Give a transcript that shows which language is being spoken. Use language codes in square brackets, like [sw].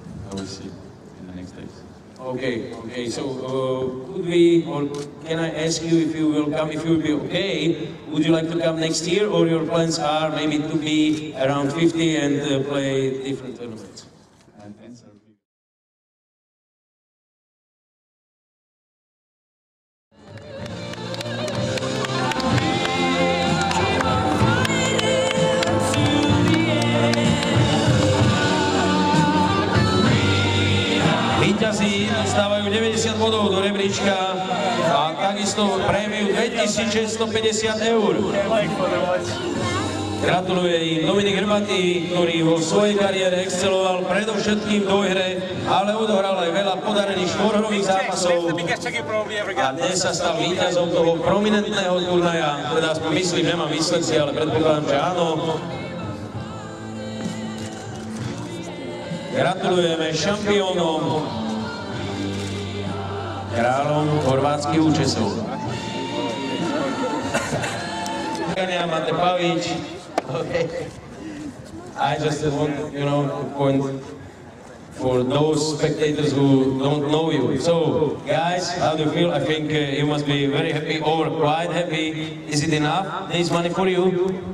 [en] I will see in the next days. Okay. So could we, or can I ask you if you will come, if you will be okay, would you like to come next year, or your plans are maybe to be around 50 and play different tournaments? [sk] Vyťazí dostávajú 90 bodov do rebríčka. takisto prémiu 2650 €. Gratuluje i Dominik Hrbatý, ktorý vo svojej kariére exceloval predovšetkým do hre, ale odohral aj veľa podarených štvorhrových zápasov a dnes sa stal víťazom toho prominentného turnaja, teda aspoň myslím, nemám výsledky, ale predpokladám, že áno. Gratulujeme šampiónom, kráľom chorvátskych účesov. Kania Mate Pavič. [en] Okay. I just want, you know, to point for those spectators who don't know you. So, guys, how do you feel? I think you must be very happy or quite happy. Is it enough, this money for you?